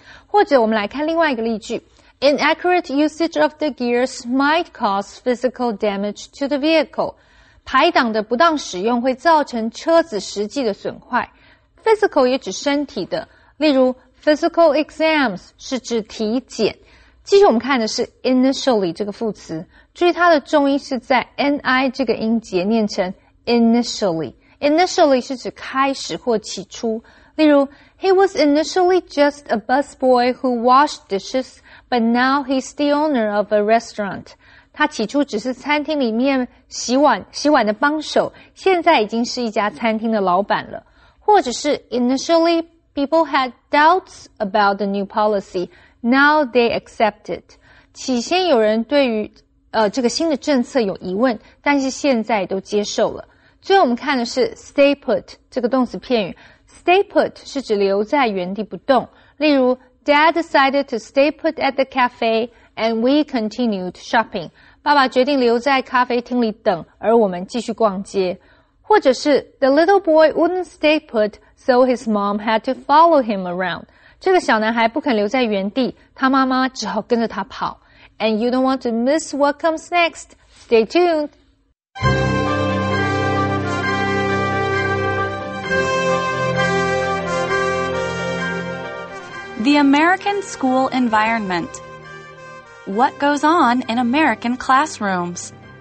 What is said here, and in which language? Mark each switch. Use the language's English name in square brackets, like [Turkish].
[Chinese] 或者我们来看另外一个例句。 [English] Inaccurate usage of the gears might cause physical damage to the vehicle. [Chinese] 排档的不当使用会造成车子实际的损坏。 physical 也指身体的。例如 [English] Physical exams [Chinese] 是指体检。继续我们看的是 initially 这个副词，注意它的重音是在 ni 这个音节，念成 initially。 initially 是指开始或起初。 [English] 例如 ，He was initially just a busboy who washed dishes, but now he's the owner of a restaurant。 [Chinese] 他起初只是餐厅里面洗碗的帮手，现在已经是一家餐厅的老板了。或者是 [English] initially。People had doubts about the new policy. Now they accept it. [Chinese] 起先有人对于这个新的政策有疑问，但是现在都接受了。最后我们看的是 stay put 这个动词片语。Stay put 是指留在原地不动。 [English] 例如 ，Dad decided to stay put at the cafe, and we continued shopping. [Chinese] 爸爸决定留在咖啡厅里等，而我们继续逛街。或者是 [English] The little boy wouldn't stay put, so his mom had to follow him around. [Chinese] 这个小男孩不肯留在原地，他妈妈只好跟着他跑。 [English] And you don't want to miss what comes next. Stay tuned. The American School Environment. What goes on in American classrooms?